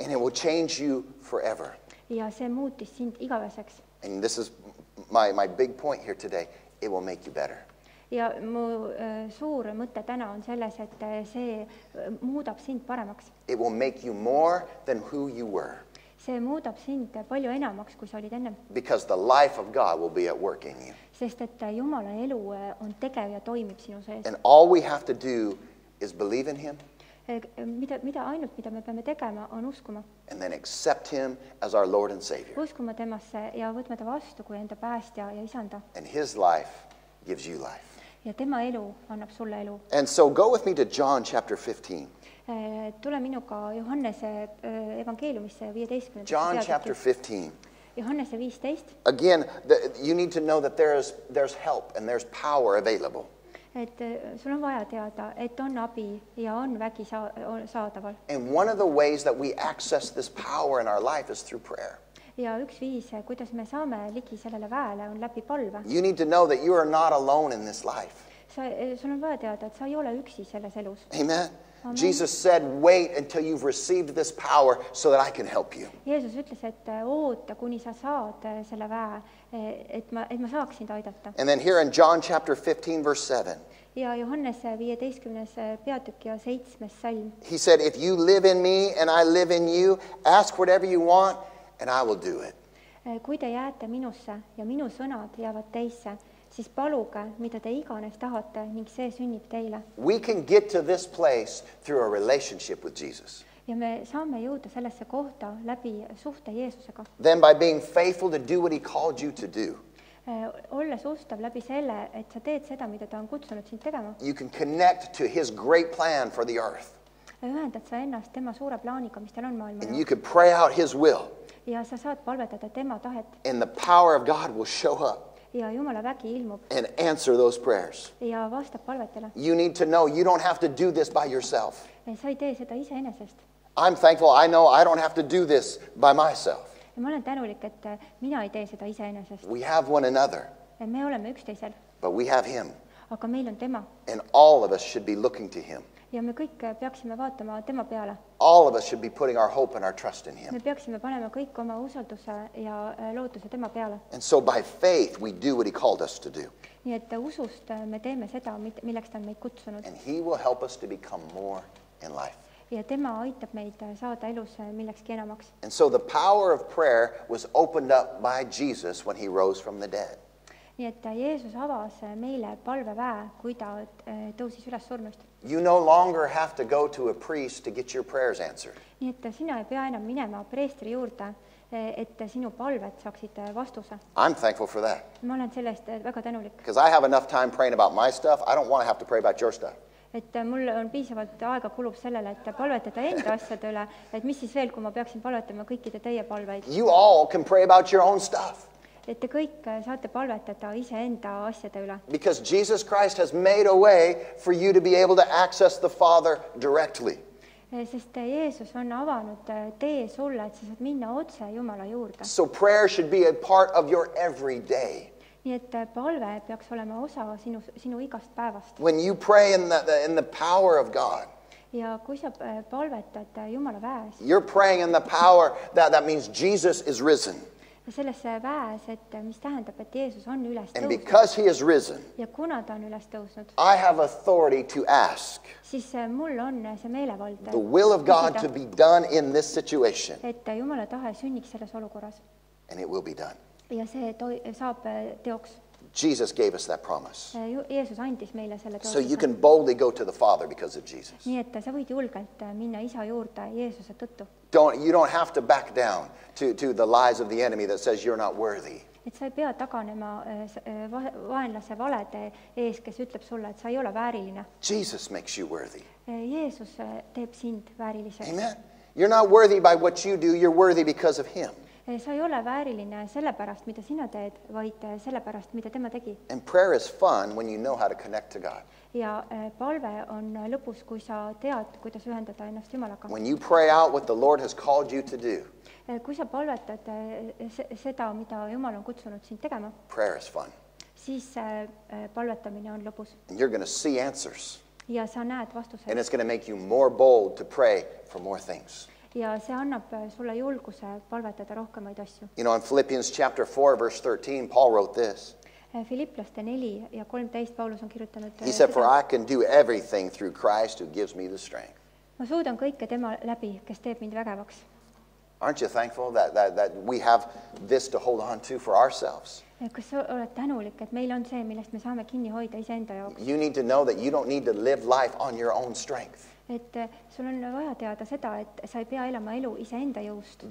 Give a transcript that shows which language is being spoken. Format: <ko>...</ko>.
<en>And it will change you forever.</en> <et>Ja see muutis sind igaveseks.</et> <en>And this is my big point here today. It will make you better.</en> <et>Ja mu suur mõte täna on selles, et see muudab sind paremaks.</et> <en>It will make you more than who you were.</en> <et>See muudab sind palju enamaks, kui sa olid ennem.</et> <en>Because the life of God will be at work in you.</en> <et>Sest et Jumala elu on tegev ja toimib sinu sees.</et> <en>And all we have to do is believe in him.</en> <et>Mida ainult, mida me peame tegema, on uskuma.</et> <en>And then accept him as our Lord and Savior.</en> <et>Uskuma temasse ja võtma ta vastu kui enda päästja ja isanda.</et> <en>And his life gives you life.</en> <et>Ja tema elu annab sulle elu.</et> <en>And so go with me to John chapter 15.</en> <et>Tule minuga Johannese evangeeliumisse 15.</et> <en>John chapter 15.</en> <et>Johannese 15.</et> <en>Again, you need to know that there's help and there's power available.</en> <et>Et sul on vaja teada, et on abi ja on vägi saadaval.</et> <en>And one of the ways that we access this power in our life is through prayer.</en> <et>Ja üks viis, kuidas me saame ligi sellele väele, on läbi palve.</et> <en>You need to know that you are not alone in this life.</en> <et>sul on vaja teada, et sa ei ole üksi selles elus.</et> <en>Amen. Jesus said, wait until you've received this power so that I can help you.</en> <et>Jeesus ütles, et oota, kuni sa saad selle väe, et ma saaksin aidata.</et> <en>And then here in John chapter 15, verse 7.</en> <et>Ja Johannese 15. Peatükk ja 7. salm.</et> <en>He said, if you live in me and I live in you, ask whatever you want and I will do it.</en> <et>Kui te jääte minusse ja minu sõnad jäävad teisse, siis paluge, mida te iganes tahate, ning see sünnib teile.</et> <en>We can get to this place through a relationship with Jesus.</en> <et>Ja me saame jõuda sellesse kohta läbi suhte Jeesusega.</et> <en>Then by being faithful to do what he called you to do.</en> <et>Olles ustav läbi selle, et sa teed seda, mida ta on kutsunud sind tegema.</et> <en>You can connect to his great plan for the earth.</en> <et>Ja ühendad sa ennast tema suure plaaniga, mis tal on maailma.</et> <en>And you can pray out his will.</en> <et>Ja sa saad palvetada tema tahet.</et> <en>And the power of God will show up.</en> <et>Ja Jumala vägi ilmub.</et> <en>And answer those prayers.</en> <et>Ja vastab palvetele.</et> <en>You need to know you don't have to do this by yourself.</en> <et>Ja sa ei tee seda ise enesest.</et> <en>I'm thankful I know I don't have to do this by myself.</en> <et>Ja ma olen tänulik, et mina ei tee seda ise enesest.</et> <en>We have one another.</en> <et>Ja me oleme üksteisel.</et> <en>But we have him.</en> <et>Aga meil on tema.</et> <en>And all of us should be looking to him.</en> <et>Ja me kõik peaksime vaatama tema peale.</et> <en>All of us should be putting our hope and our trust in him.</en> <et>Me peaksime panema kõik oma usalduse ja lootuse tema peale.</et> <en>And so by faith we do what he called us to do.</en> <et>Nii et usust me teeme seda, milleks ta on meid kutsunud.</et> <en>And he will help us to become more in life.</en> <et>Ja tema aitab meid saada elus millekski enamaks.</et> <en>And so the power of prayer was opened up by Jesus when he rose from the dead.</en> <et>Nii et Jeesus avas meile palve väe, kui ta tõusis üles surmast.</et> <en>You no longer have to go to a priest to get your prayers answered.</en> <et>Nii et sina ei pea enam minema preestri juurde, et sinu palved saaksid vastuse.</et> <en>I'm thankful for that.</en> <et>Ma olen sellest väga tänulik.</et> <en>Because I have enough time praying about my stuff, I don't want to have to pray about your stuff.</en> <et>Et mul on piisavalt aega kulub sellele, et palvetada enda asjad üle, et mis siis veel, kui ma peaksin palvetama kõikide teie palveid.</et> <en>You all can pray about your own stuff.</en> <et>Et te kõik saate palvetada ise enda asjade üle.</et> <en>Because Jesus Christ has made a way for you to be able to access the Father directly.</en> <et>Sest Jeesus on avanud tee sulle, et sa saad minna otse Jumala juurde.</et> <en>So prayer should be a part of your every day.</en> <et>Nii et palve peaks olema osa sinu igast päevast.</et> <en>When you pray in the power of God.</en> <et>Ja kui sa palvetad Jumala väes.</et> <en>You're praying in the power that means Jesus is risen.</en> <et>Ja sellesse väes, et mis tähendab, et Jeesus on üles tõusnud.</et> <en>And because he is risen.</en> <et>Ja kuna ta on üles tõusnud.</et> <en>I have authority to ask.</en> <et>Siis mul on see meelevald.</et> <en>The will of God to be done in this situation.</en> <et>Et Jumala tahe sünniks selles olukorras.</et> <en>And it will be done.</en> <et>Ja see saab teoks.</et> <en>Jesus gave us that promise.</en> <et>Jeesus andis meile selle tõusnud.</et> <en>So you can boldly go to the Father because of Jesus.</en> <et>Nii et sa võid julgelt minna isa juurde Jeesuse tõttu.</et> <en>You don't have to back down to the lies of the enemy that says you're not worthy.</en> <et>Et sa ei pea taganema vaenlase valede ees, kes ütleb sulle, et sa ei ole vääriline.</et> <en>Jesus makes you worthy.</en> <et>Jeesus teeb sind vääriliseks.</et> <en>Amen. You're not worthy by what you do, you're worthy because of him.</en> <et>Sa ei ole vääriline sellepärast, mida sina teed, vaid sellepärast, mida tema tegi.</et> <en>And prayer is fun when you know how to connect to God.</en> <et>Ja palve on lõpus, kui sa tead, kuidas ühendada ennast Jumalaga.</et> <en>When you pray out what the Lord has called you to do.</en> <et>Kui sa palvetad seda, mida Jumal on kutsunud sind tegema.</et> <en>Prayer is fun.</en> <et>Siis palvetamine on lõpus.</et> <en>And you're going to see answers.</en> <et>Ja sa näed vastuseid.</et> <en>And it's going to make you more bold to pray for more things.</en> <et>Ja see annab sulle julguse palvetada rohkemaid asju.</et> <en>You know, in Philippians chapter 4, verse 13, Paul wrote this.</en> <et>Filipplaste 4 ja 13 Paulus on kirjutanud.</et> <en>He said, for I can do everything through Christ who gives me the strength.</en> <et>Ma suudan kõike tema läbi, kes teeb mind vägevaks.</et> <en>Aren't you thankful that we have this to hold on to for ourselves?</en> <et>Kas sa oled tänulik, et meil on see, millest me saame kinni hoida ise enda jaoks?</et> <en>You need to know that you don't need to live life on your own strength.</en> <et>Et sul on vaja teada seda, et sa ei pea elama elu ise enda jõust.</et>